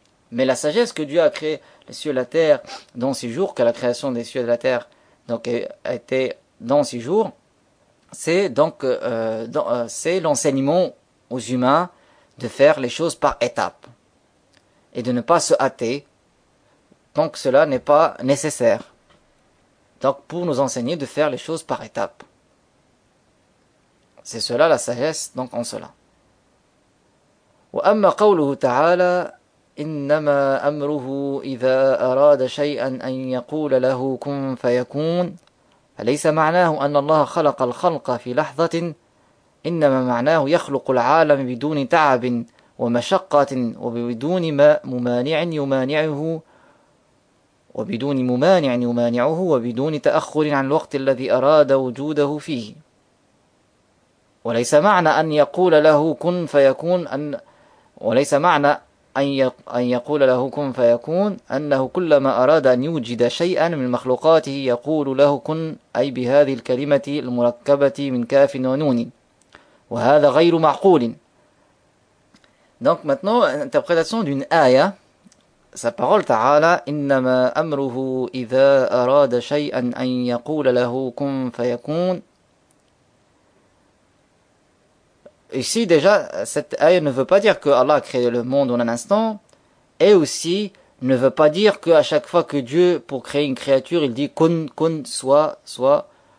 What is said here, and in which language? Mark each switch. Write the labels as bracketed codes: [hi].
[fr] Mais la sagesse que Dieu a créé les cieux et la terre dans six jours, que la création des cieux et de la terre donc a été dans six jours, c'est donc c'est l'enseignement aux humains de faire les choses par étapes et de ne pas se hâter tant que cela n'est pas nécessaire. Donc pour nous enseigner de faire les choses par étapes, c'est cela la sagesse donc en cela. [ar] وأما قوله تعالى إنما أمره إذا أراد شيئا أن يقول له كن فيكون، فليس معناه أن الله خلق الخلق في لحظة، إنما معناه يخلق العالم بدون تعب ومشقة وبدون ممانع يمانعه وبدون ممانع يمانعه وبدون تأخر عن الوقت الذي أراد وجوده فيه. وليس معنى أن يقول له كن فيكون أن وليس معنى أن يقول له كن فيكون أنه كلما أراد أن يوجد شيئا من مخلوقاته يقول له كن، أي بهذه الكلمة المركبة من كاف ونون، وهذا غير معقول. [fr] Donc maintenant, interprétation d'une aya. Sa parole ta'ala, [ar] innama amruhu idha arada shay'an an yaqula lahu kun fayakun. [fr] Ici déjà, cette aya ne veut pas dire que Allah a créé le monde en un instant, et aussi ne veut pas dire qu'à chaque fois que Dieu, pour créer une créature, il dit kun, kun, soit, soit.